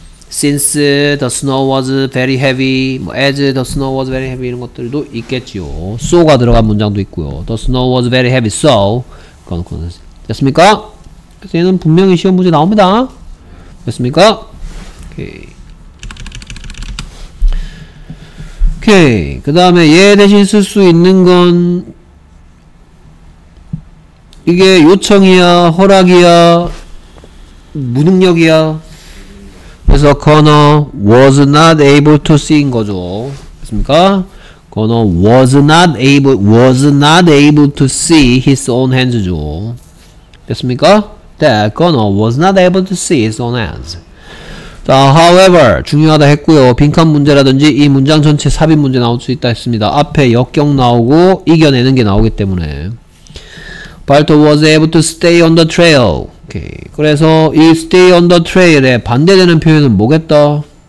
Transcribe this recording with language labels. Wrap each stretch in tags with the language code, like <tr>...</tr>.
<en>since the snow was very heavy,</en> <ko>뭐</ko> <en>as the snow was very heavy</en> <ko>이런 것들도 있겠죠. so가 들어간 문장도 있고요.</ko> <en>the snow was very heavy, so</en> <ko>됐습니까? 그래서 얘는 분명히 시험 문제 나옵니다. 됐습니까? 오케이. 그 다음에 얘 대신 쓸 수 있는 건 이게 요청이야, 허락이야, 무능력이야. 그래서</ko> <en>Gunnar was not able to see</en> <ko>인거죠. 됐습니까?</ko> <en>Gunnar was not able to see his own hands죠.</en> <ko>됐습니까?</ko> <en>That Gunnar was not able to see his own hands.</en> <ko>자, however 중요하다 했고요. 빈칸 문제라든지 이 문장 전체 삽입 문제 나올 수 있다 했습니다. 앞에 역경 나오고 이겨내는 게 나오기 때문에</ko> <en>Balto was able to stay on the trail. Okay.</en> <ko>그래서 이 stay on the trail에 반대되는 표현은 뭐겠다?</ko>